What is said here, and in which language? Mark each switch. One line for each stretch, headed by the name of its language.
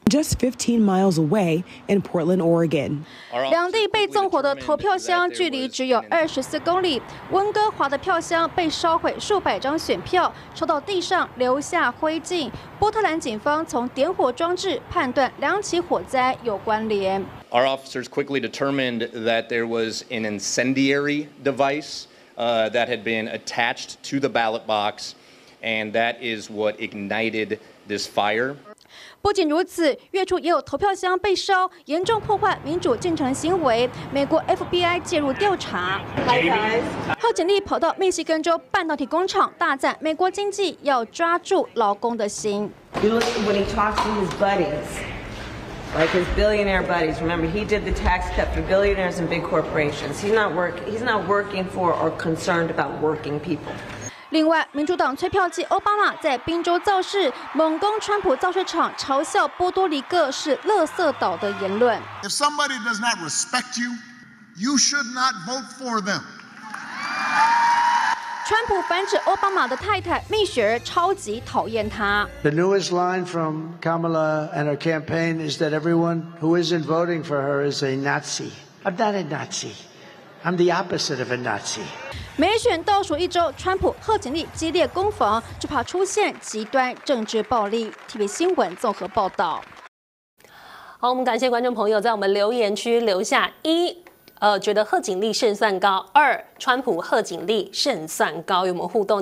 English: Just 15 miles away in Portland, Oregon.
Chinese: 两地被纵火的投票箱距离只有24公里，温哥华的票箱被烧毁数百张选票，抽到地上留下灰烬。波特兰警方从点火装置判断两起火灾有关联。
English: Our officers quickly determined that there was an incendiary device that had been attached to the ballot box, and that is what ignited this fire.
Chinese: 不仅如此，月初也有投票箱被烧，严重破坏民主进程行为。美国 FBI 介入调查。
English: Hi guys.
Chinese: 好警力跑到密西根州半导体工厂，大赞美国经济要抓住劳工的心。
English: You listen when he talks to his buddies. Like his billionaire buddies. Remember, he did the tax cut for billionaires and big corporations. He's not working for or concerned about working people.
Chinese: 另外，民主党催票机奥巴马在宾州造势，猛攻川普造势场，嘲笑波多黎各是垃圾岛的言论。
English: If somebody does not respect you, you should not vote for them.
Chinese: 川普反指奥巴马的太太蜜雪儿超级讨厌他。
English: The newest line from Kamala and her campaign is that everyone who isn't voting for her is a Nazi. I'm not a Nazi. I'm the opposite of a Nazi.
Chinese: 美选倒数一周，川普贺锦丽激烈攻防，就怕出现极端政治暴力。 TVBS 新闻综合报道。好，我们感谢观众朋友在我们留言区留下一。觉得贺锦丽胜算高，二川普贺锦丽胜算高，有没有互动？